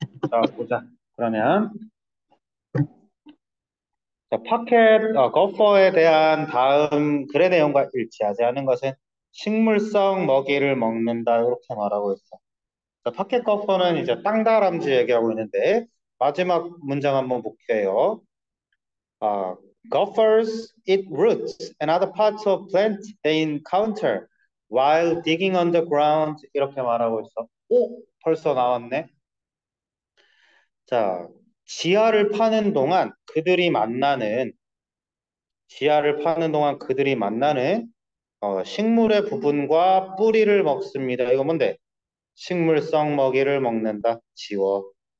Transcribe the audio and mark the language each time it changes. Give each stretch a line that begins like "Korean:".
Korean: 자, 보자. 그러면. 자, 거퍼에 대한 다음 글의 내용과 일치하지 않은 것은 식물성 먹이를 먹는다. 이렇게 말하고 있어. 자, 파켓 거퍼는 이제 땅다람쥐 얘기하고 있는데, 마지막 문장 한번 볼게요.
English: Gophers eat roots and other parts of plants they encounter while digging underground.
Korean: 이렇게 말하고 있어. 오, 벌써 나왔네. 자, 지하를 파는 동안 그들이 만나는, 지하를 파는 동안 그들이 만나는, 식물의 부분과 뿌리를 먹습니다. 이거 뭔데? 식물성 먹이를 먹는다. 지워.